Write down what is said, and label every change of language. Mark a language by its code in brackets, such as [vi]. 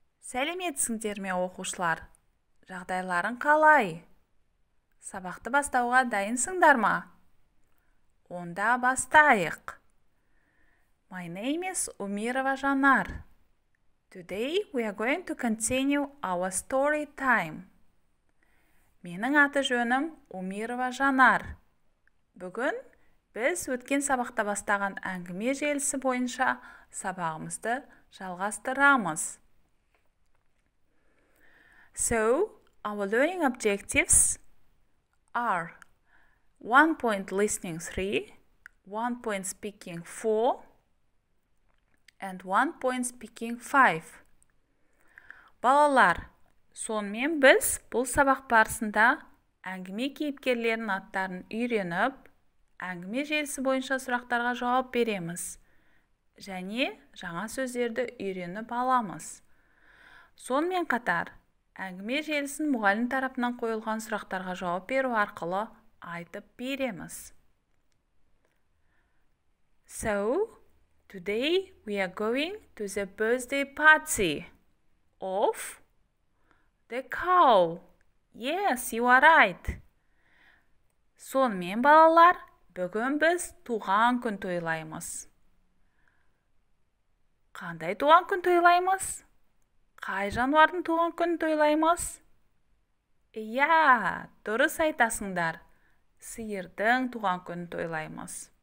[kk] Сәлеметсіңдер ме, оқушылар? Жағдайларың қалай? Сабақты бастауға дайынсыңдар ма? Онда бастайық. [en] My name is Умирова Жанар. Today we are going to continue our story time. [kk] Менің аты жөнім Умирова Жанар. Бүгін біз өткен сабақта бастаған әңгіме желісі бойынша сабағымызды жалғастырамыз. [en] So, our learning objectives are 1 point listening 3, 1 point speaking 4, and 1 point speaking 5. [kk] Балалар, сонымен біз бұл сабақ барысында әңгіме кейіпкерлерінің аттарын үйреніп, әңгіме желісі бойынша сұрақтарға жауап береміз. Және жаңа сөздерді үйреніп аламыз. Сонымен қатар, әңгіме желісін мұғалім тарапынан қойылған сұрақтарға жауап беру арқылы айтып береміз. [en] So, today we are going to the birthday party of the cow. Yes, you are right. [kk] Сонымен балалар, бүгін біз туған күн тойлаймыз. Қандай туған күн тойлаймыз? Қай жануардың туған күнін тойлаймыз? Дұрыс айтасыңдар. Сиырдың туған күнін тойлаймыз.